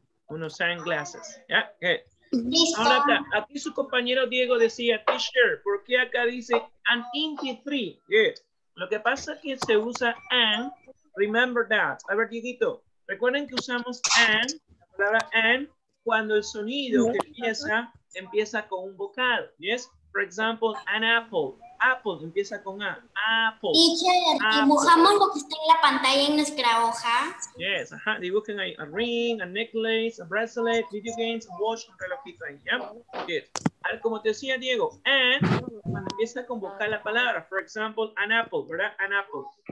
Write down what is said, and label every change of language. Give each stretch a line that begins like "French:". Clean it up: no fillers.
English: Unos sunglasses, yeah, good.
Spanish: Ahora acá, aquí su compañero Diego decía, teacher, ¿por qué acá dice an MP3? Good. Lo que pasa es que se usa an,
English: remember that.
Spanish: A ver, Dieguito, recuerden que usamos an, la palabra an, cuando el sonido que empieza con un vocal.
English: Yes, for example, an apple.
Spanish: Apple empieza con A. Apple. Teacher, dibujamos lo que está en la pantalla en nuestra hoja. Yes, ajá. Dibujen ahí
English: a ring, a necklace, a bracelet, video games, a watch,
Spanish: un relojito ahí.
English: Yeah? Good.
Spanish: A ver, como te decía Diego, and cuando empieza a convocar la palabra,
English: for example, an apple,
Spanish: ¿verdad? An apple.